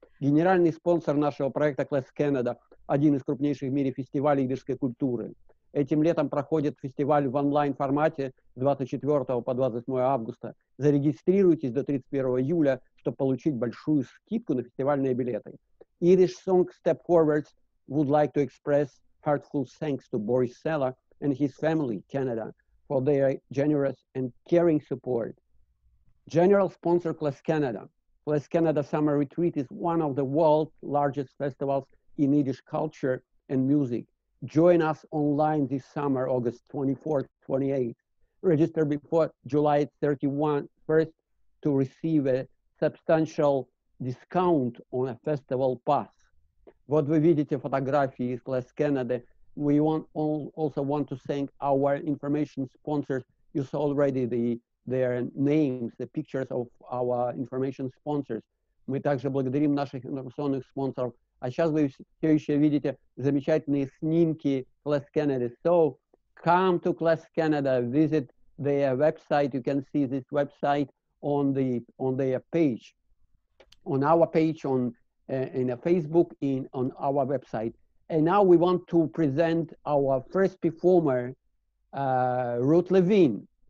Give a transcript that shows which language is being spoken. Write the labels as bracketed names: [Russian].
[Russian] Генеральный спонсор нашего проекта Class Canada, один из крупнейших в мире фестивалей иддишской культуры. Этим летом проходит фестиваль в онлайн-формате с 24 по 28 августа. Зарегистрируйтесь до 31 июля, чтобы получить большую скидку на фестивальные билеты. [English] Yiddish Song Step Forward would like to express heartfelt thanks to Boris Selo and his family, Canada, for their generous and caring support. General sponsor Class Canada. Class Canada Summer Retreat is one of the world's largest festivals in Yiddish culture and music. Join us online this summer, August 24th, 28th. Register before July 31st to receive a substantial discount on a festival pass. [Russian] Вот вы видите фотографии из Class Canada. [English] We want all, also want to thank our information sponsors. You saw already their names, the pictures of our information sponsors. [Russian] Мы также благодарим наших информационных спонсоров. А сейчас вы все еще видите замечательные снимки Class Canada. [English] So, come to Class Canada, visit their website. You can see this website on the on their page. On our page, on in a Facebook, in on our website. And now we want to present our first performer, Ruth Levine.